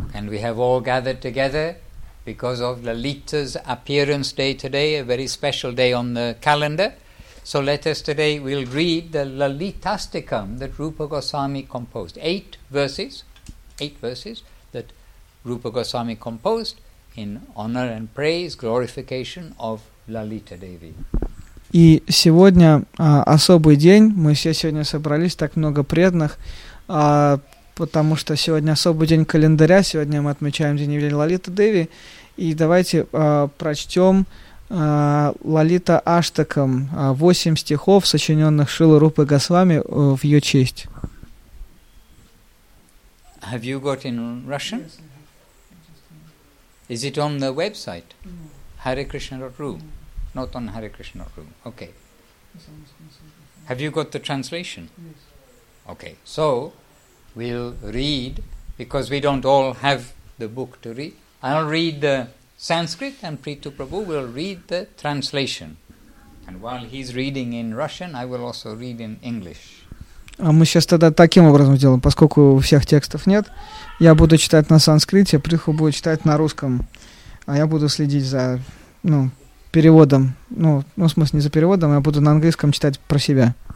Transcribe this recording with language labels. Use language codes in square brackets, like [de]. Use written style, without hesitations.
[en] And we have all gathered together because of Lalita's appearance day today, a very special day on the calendar. So let us today, we'll read the Lalitasticam that Rupa Goswami composed. Eight verses that Rupa Goswami composed in honor and praise, glorification of Lalita Devi. [ru] И сегодня особый день. Мы все сегодня собрались, так много преданных, потому что сегодня особый день календаря. Сегодня мы отмечаем день явления Лалиты Деви. И давайте прочтем Лалита Аштакам, 8 стихов, сочиненных Шрилой Рупой Госвами в ее честь. [en] Have you got in Russian? Yes, I have. Is it on the website? No. HareKrishna.ru? No. Not on HareKrishna.ru. Okay. Have you got the translation? Yes. Okay. So, we'll read, because we don't all have the book to read. I'll read the Sanskrit and Preetu Prabhu will read the translation. And while he's reading in Russian, I will also read in English. [ru] А мы сейчас тогда таким образом сделаем, поскольку всех текстов нет. Я буду читать на санскрите, Притху будет читать на русском, а я буду следить за переводом. Ну, в смысле, не за переводом, я буду на английском читать про себя.